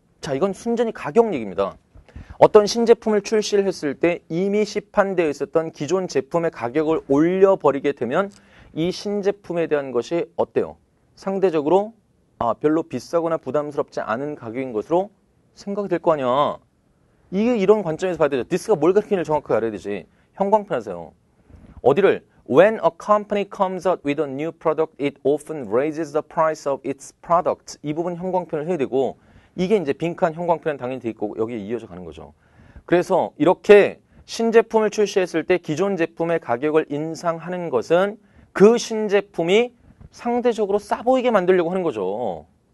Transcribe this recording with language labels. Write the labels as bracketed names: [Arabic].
[Korean] 자, 이건 순전히 가격 얘기입니다. 어떤 신제품을 출시를 했을 때 이미 시판되어 있었던 기존 제품의 가격을 올려버리게 되면 이 신제품에 대한 것이 어때요? 상대적으로 별로 비싸거나 부담스럽지 않은 가격인 것으로 생각이 될거 아니야. 이게 이런 관점에서 봐야 되죠. This가 뭘 가르치는지 정확하게 알아야 되지. 형광펜에서요. 어디를? [English] When a company comes out with a new product, it often raises the price of its product. [Korean] 이 부분 형광펜을 해야 되고, 이게 이제 빈칸 형광펜은 당연히 돼 있고 여기에 이어져 가는 거죠. 그래서 이렇게 신제품을 출시했을 때 기존 제품의 가격을 인상하는 것은 그 신제품이 상대적으로 싸 보이게 만들려고 하는 거죠.